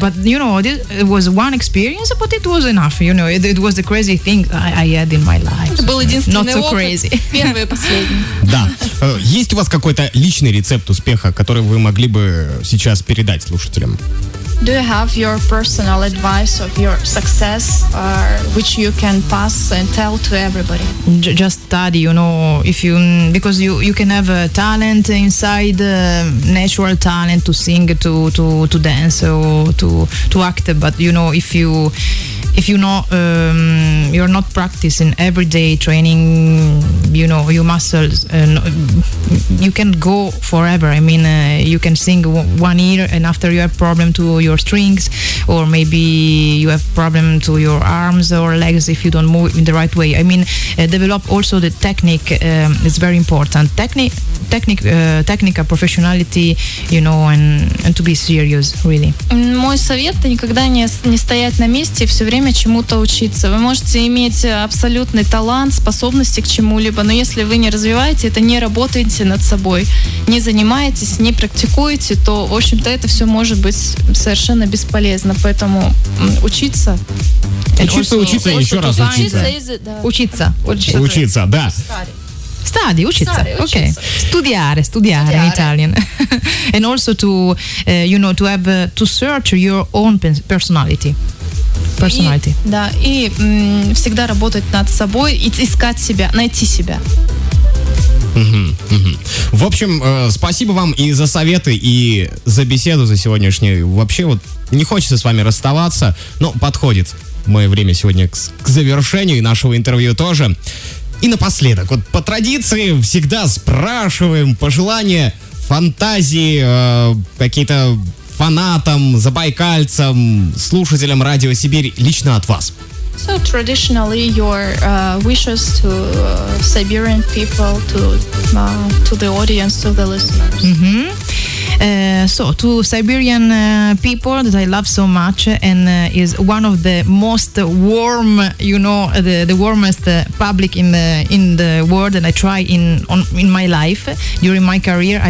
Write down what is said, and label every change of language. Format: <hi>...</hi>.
<en>but you know, it was one experience, but it was enough. You know, it was the crazy thing I had in my life.</en> <ru>Это был единственный опыт.</ru> <en>Not so crazy.</en> <ru>Да. Есть у вас какой-то личный рецепт успеха, который вы могли бы сейчас передать слушателям?</ru> <en>Do you have your personal advice of your success, which you can pass and tell to everybody? Just study, you know, if you because you can have a talent inside, natural talent to sing, to dance or to act, but you know if you you're not practicing every day training, you know, your muscles, you can go forever. I mean, you can sing 1 year and after you have problem to your strings, or maybe you have problem to your arms or legs if you don't move in the right way. I mean, develop also the technique. It's very important. Technical professionality, you know, and to be serious, really.</en> <ru>Мой совет – никогда не стоять на месте и все время чему-то учиться. Вы можете иметь абсолютный талант, способности к чему-либо, но если вы не развиваете это, не работаете над собой, не занимаетесь, не практикуете, то, в общем-то, это все может быть совершенно бесполезно. Поэтому учиться. Учиться, also, учиться, also, еще раз учиться. Учиться. Учиться. Учиться, да.</ru> <en>Study, учиться. Okay. Studiare in Italian. And also to, you know, to have, to search your own personality. Personality.</en> <ru>И всегда работать над собой и искать себя, найти себя. В общем, спасибо вам и за советы, и за беседу за сегодняшнюю. Вообще, вот, не хочется с вами расставаться, но подходит мое время сегодня к завершению нашего интервью тоже. И напоследок, вот по традиции всегда спрашиваем пожелания, фантазии, какие-то фанатам, забайкальцам, слушателям Радио Сибирь лично от вас.</ru> <en>So traditionally your wishes to Siberian people, to the audience, to the listeners. Mm-hmm. So to Siberian people that I love so much and is one of the most warm, you know, the warmest public in the world, and I try in my life during my career.</en>